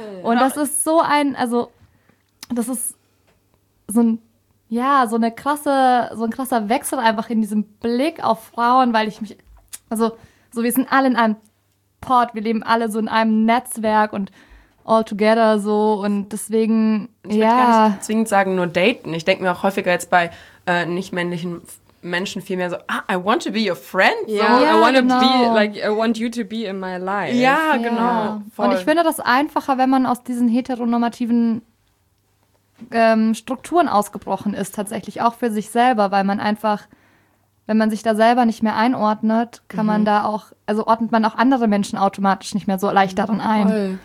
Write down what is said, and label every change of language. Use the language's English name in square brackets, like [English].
[German] Und das ist so ein, also, das ist so ein, ja, so eine krasse, so ein krasser Wechsel einfach in diesem Blick auf Frauen, weil ich mich, also, so, wir sind alle in einem Pod, wir leben alle so in einem Netzwerk und [English] all together [German] so und deswegen, ich ja. Ich würde gar nicht zwingend sagen, nur daten. Ich denke mir auch häufiger jetzt bei nicht-männlichen Menschen vielmehr so, ah, [English] I want to be your friend. Yeah. So, yeah, I want to be, like, I want you to be in my life. [German] Ja, yeah, genau. Voll. Und ich finde das einfacher, wenn man aus diesen heteronormativen Strukturen ausgebrochen ist, tatsächlich auch für sich selber, weil man einfach, wenn man sich da selber nicht mehr einordnet, kann man da auch, also ordnet man auch andere Menschen automatisch nicht mehr so leicht daran ein.